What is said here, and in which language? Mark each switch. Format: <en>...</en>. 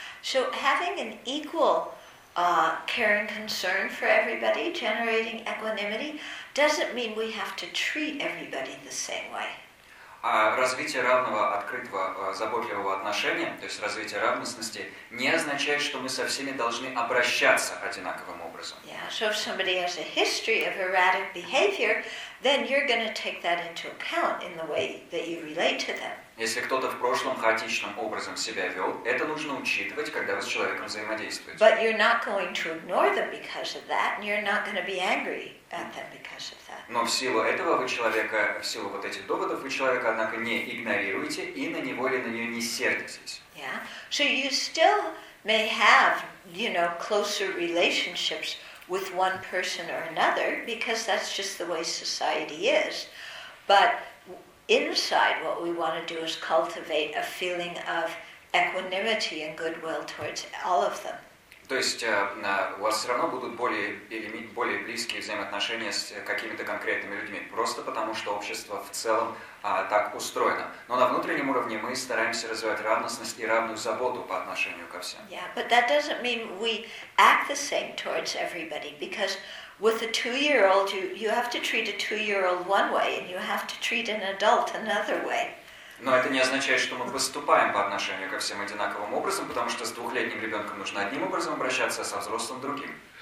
<en>So having an equal care and concern for everybody, generating equanimity, doesn't mean we have to treat everybody the same way.</en> <ru>Развитие равного, открытого, заботливого отношения, то есть развитие равностности, не означает, что мы со всеми должны обращаться одинаковым образом.</ru> <en>Yeah, so if somebody has a history of erratic behavior, then you're going to take that into account in the way that you relate to them.</en> <ru>Если кто-то в прошлом хаотичным образом себя вел, это нужно учитывать, когда вы с человеком взаимодействуете.</ru> <en>But you're not going to ignore them because of that, and you're not going to be angry at them because of that.</en> <ru>Но в силу этого вы человека, в силу вот этих доводов, вы человека, однако, не игнорируете и на него или на нее не сердитесь.</ru> <en>Yeah. So you still may have, you know, closer relationships with one person or another, because that's just the way society is. But inside, what we want to do is cultivate a feeling of equanimity and goodwill towards all of them.</en> <ru>То есть у вас все равно будут более или более близкие взаимоотношения с какими-то конкретными людьми, просто потому что общество в целом так устроено. Но на внутреннем уровне мы стараемся развивать равностность и равную заботу по отношению ко всем.</ru> <en>Yeah, but that doesn't mean we act the same towards everybody, because with a two-year-old, you have to treat a two-year-old one way, and you have to treat an adult another way.</en> <ru>Но это не означает, что мы поступаем по отношению ко всем одинаковым образом, потому что с двухлетним ребенком нужно одним образом обращаться, а со взрослым другим.</ru>